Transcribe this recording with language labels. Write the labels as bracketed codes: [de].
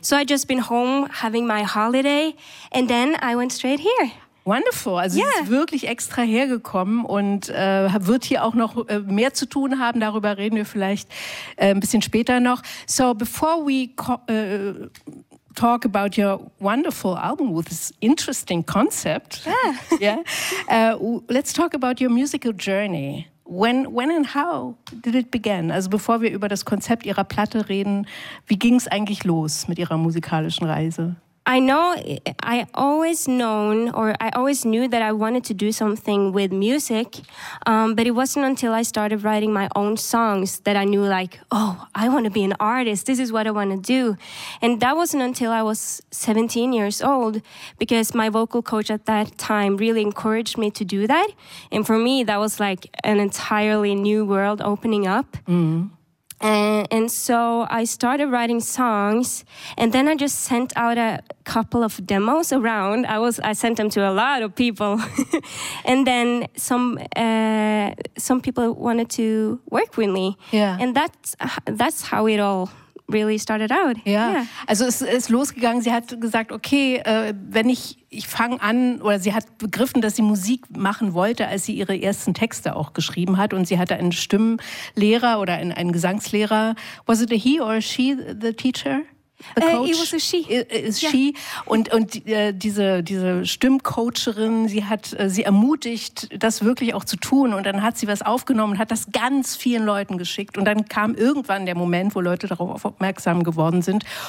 [en] So I just been home having my holiday and then I went straight here. Wonderful. [de] Also yeah. Sie ist wirklich extra hergekommen und wird hier auch noch mehr zu tun haben. Darüber reden wir vielleicht ein bisschen später noch. [en] So before we talk about your wonderful album with this interesting concept. Yeah. let's talk about your musical journey. When and how did it begin? [de] Also bevor wir über das Konzept ihrer Platte reden, wie ging es eigentlich los mit ihrer musikalischen Reise? [en] I always knew that I wanted to do something with music, but it wasn't until I started writing my own songs that I knew, like, oh, I want to be an artist. This is what I want to do. And that wasn't until I was 17 years old, because my vocal coach at that time really encouraged me to do that. And for me, that was like an entirely new world opening up. Mm. And so I started writing songs, and then I just sent out a couple of demos around. I sent them to a lot of people, and then some people wanted to work with me. Yeah. And that's how it all really started out. [de] Yeah. Also es ist losgegangen. Sie hat gesagt, okay, wenn ich fange an, oder sie hat begriffen, dass sie Musik machen wollte, als sie ihre ersten Texte auch geschrieben hat. Und sie hatte einen Stimmlehrer oder einen Gesangslehrer. [en] Was it a he or she, the teacher? The coach? It was a she. She. [de] Und diese Stimmcoacherin, sie hat sie ermutigt, das wirklich auch zu tun. Und dann hat sie was aufgenommen und hat das ganz vielen Leuten geschickt. Und dann kam irgendwann der Moment, wo Leute darauf aufmerksam geworden sind.